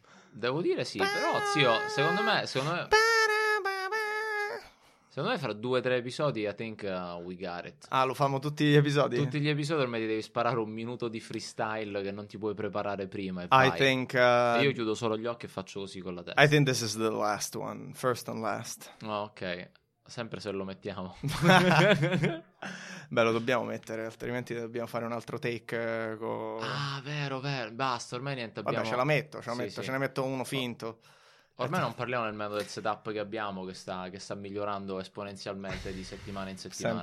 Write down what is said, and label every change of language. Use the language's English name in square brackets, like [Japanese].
[Italian] Devo dire sì, però zio, secondo me fra 2-3 episodi [English] I think we got it. [Italian] Ah, lo famo tutti gli episodi? Tutti gli episodi ormai ti devi sparare un minuto di freestyle che non ti puoi preparare prima. E [English] I think, [Italian] io chiudo solo gli occhi e faccio così con la testa. [English] I think this is the last one, first and last. [Italian] Ok. Sempre se lo mettiamo. Beh, lo dobbiamo mettere, altrimenti dobbiamo fare un altro take Ah, vero, basta, ormai niente abbiamo. Vabbè, ce la metto, sì. Ce ne metto uno finto. Ormai non parliamo nemmeno del setup che abbiamo, che sta migliorando esponenzialmente di settimana in settimana.